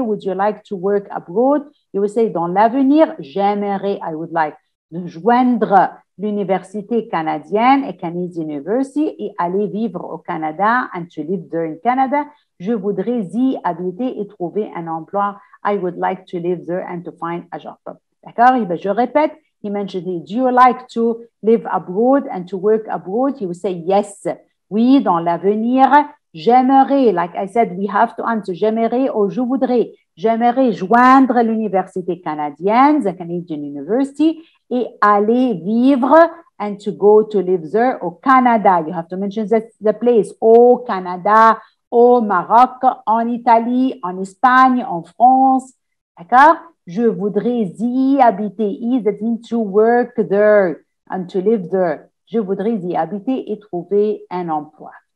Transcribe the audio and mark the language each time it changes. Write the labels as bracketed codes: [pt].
[en] Would you like to work abroad? You would say, [fr] dans l'avenir, j'aimerais, [en] I would like, [fr] de joindre l'université canadienne, [en] a Canadian University, [fr] et aller vivre au Canada, [en] and to live there in Canada. [fr] Je voudrais y habiter et trouver un emploi. [en] I would like to live there and to find a job. [fr] D'accord? Et bien, je répète, [en] he mentioned it. Do you like to live abroad and to work abroad? You would say, yes. [fr] Oui, dans l'avenir. J'aimerais, [en] like I said, we have to answer, [fr] j'aimerais ou je voudrais. J'aimerais joindre l'université canadienne, [en] the Canadian University, [fr] et aller vivre [en] and to go to live there, [fr] au Canada. [en] You have to mention the place, [fr] au Canada, au Maroc, en Italie, en Espagne, en France. D'accord? Je voudrais y habiter. [en] Is that mean to work there and to live there? [fr] Je voudrais y habiter et trouver un emploi.